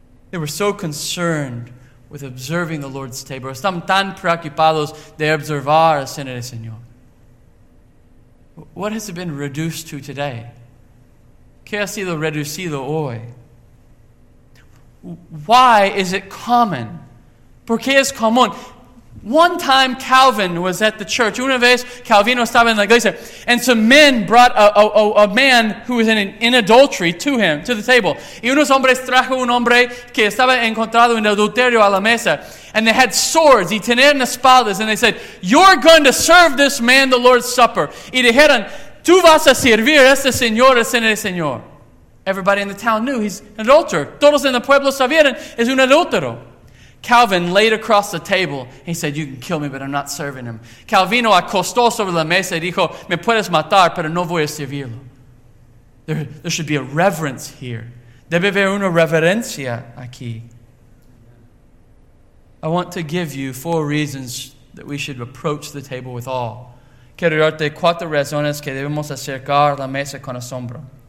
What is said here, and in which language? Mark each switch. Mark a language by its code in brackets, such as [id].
[en] They were so concerned with observing the Lord's table. [es] Están tan preocupados de observar la cena del Señor. [en] What has it been reduced to today? [es] ¿Qué ha sido reducido hoy? [en] Why is it common? [es] ¿Por qué es común? [en] One time Calvin was at the church. [es] Una vez Calvino estaba en la iglesia. [en] And some men brought a man who was in adultery to him, to the table. [es] Y unos hombres trajo un hombre que estaba encontrado en adulterio a la mesa. [en] And they had swords, [es] y tenían espadas. [en] And they said, you're going to serve this man the Lord's Supper. [es] Y dijeron, tú vas a servir a este señor, a este señor. [en] Everybody in the town knew he's an adulterer. [es] Todos en el pueblo sabían, es un adultero. [en] Calvin laid across the table. He said, you can kill me, but I'm not serving him. [es] Calvino acostó sobre la mesa y dijo, me puedes matar, pero no voy a servirlo. [en] There should be a reverence here. [es] Debe haber una reverencia aquí. [en] I want to give you four reasons that we should approach the table with awe. [es] Quiero darte cuatro razones que debemos acercar la mesa con asombro.